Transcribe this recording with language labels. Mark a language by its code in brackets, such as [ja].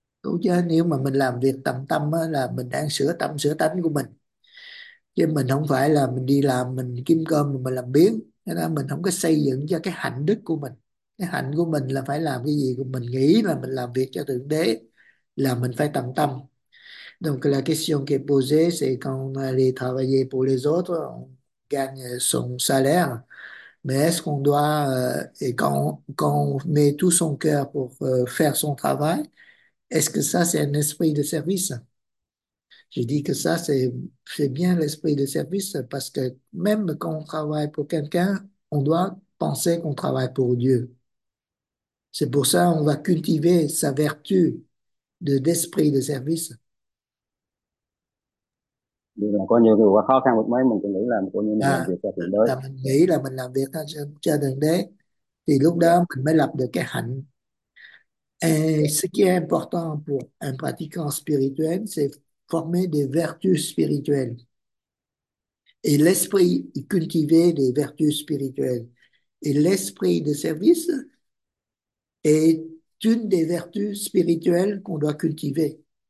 [vi] Cũng chứ nếu mà mình làm việc tầm tâm á, là mình đang sửa tâm sửa tánh của mình. Chứ mình không phải là mình đi làm mình kiếm cơm mà mình làm biếng. Thế nên mình không có xây dựng cho cái hạnh đức của mình. Cái hạnh của mình là phải làm cái gì của mình nghĩ là mình làm việc cho Thượng Đế là mình phải tận tâm. [fr] Donc la question qui est posée, c'est quand on allait travailler pour les autres, on gagne son salaire. Mais est-ce qu'on doit, et quand on met tout son cœur pour faire son travail, Est-ce que ça, c'est un esprit de service? Je dis que ça, c'est bien l'esprit de service parce que même quand on travaille pour quelqu'un, on doit penser qu'on travaille pour Dieu. C'est pour ça qu'on va cultiver sa vertu d'esprit de service. [vi] Coi như dù khó khăn một mấy mình cũng nghĩ là coi như mình làm việc À, cho thượng là mình nghĩ là mình làm việc cho Thượng Đế thì lúc đó mình mới lập được cái hạnh. [fr] Et ce qui est important pour un pratiquant spirituel, c'est former des vertus spirituelles. Et l'esprit, cultiver des vertus spirituelles. Et l'esprit de service est une des vertus spirituelles qu'on doit cultiver.